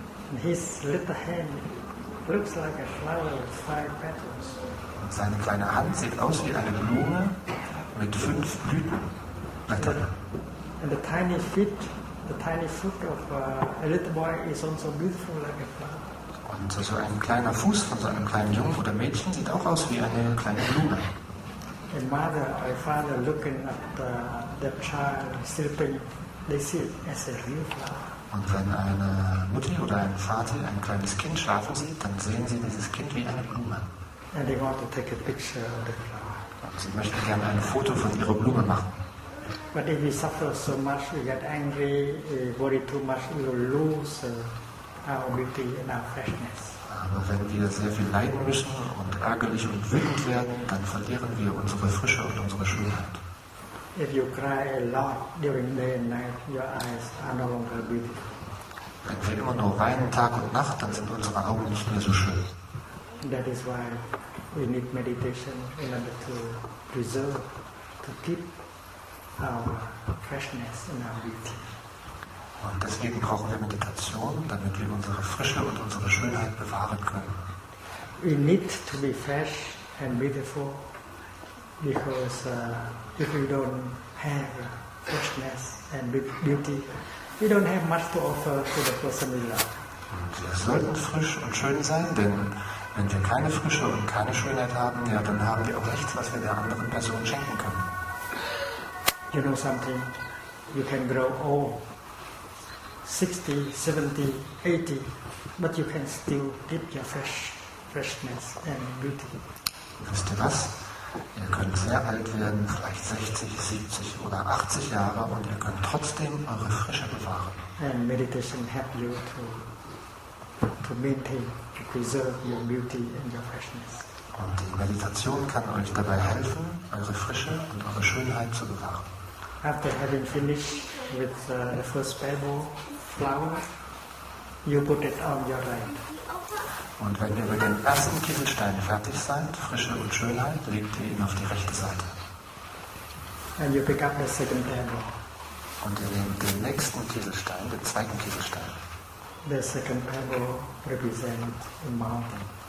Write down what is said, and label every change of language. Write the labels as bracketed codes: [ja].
[en] And his little hand looks like a flower with 5 petals. [de] Und seine kleine Hand sieht aus wie eine Blume mit 5 Blüten. [en] And the tiny foot of a little boy is also beautiful like a flower. [de] Und so ein kleiner Fuß von so einem kleinen Jungen oder Mädchen sieht auch aus wie eine kleine Blume. [en] A mother or a father looking at the child sleeping, they see it as a real flower. [de] Und wenn eine Mutter oder ein Vater ein kleines Kind schlafen sieht, dann sehen sie dieses Kind wie eine Blume. [en] And they want to take a picture of the flower. [de] Und sie möchten gerne ein Foto von ihrer Blume machen. [en] But if we suffer so much, we get angry, we worry too much, we will lose our beauty and our freshness. [de] Aber wenn wir sehr viel leiden müssen und ärgerlich und wütend werden, dann verlieren wir unsere Frische und unsere Schönheit. [en] If you cry a lot during day and night, your eyes are no longer beautiful. [de] Wenn wir immer nur weinen Tag und Nacht, dann sind unsere Augen nicht mehr so schön. [en] That is why we need meditation in order to preserve, to keep our freshness and our beauty. [de] Und deswegen brauchen wir Meditation, damit wir unsere Frische und unsere Schönheit bewahren können. [en] We need to be fresh and beautiful, because if we don't have freshness and beauty, we don't have much to offer to the person we love. [de] Und wir sollten frisch und schön sein, denn wenn wir keine Frische und keine Schönheit haben, ja, dann haben wir auch nichts, was wir der anderen Person schenken können. [en] You know something, you can grow old, 60, 70, 80, but you can still keep your freshness and beauty. [de] Wisst ihr was? Ihr könnt sehr alt werden, vielleicht 60, 70 oder 80 Jahre, und ihr könnt trotzdem eure Frische bewahren. [en] And meditation helps you to maintain, to preserve your beauty and your freshness. [de] Und die Meditation kann euch dabei helfen, eure Frische und eure Schönheit zu bewahren. [en] After having finished with the first pebble flower, you put it on your right. [de] Und wenn ihr mit dem ersten Kieselstein fertig seid, Frische und Schönheit, legt ihr ihn auf die rechte Seite. [en] And you pick up the second pebble. [de] Und ihr nehmt den nächsten Kieselstein, den zweiten Kieselstein. [en] The second pebble represents a mountain.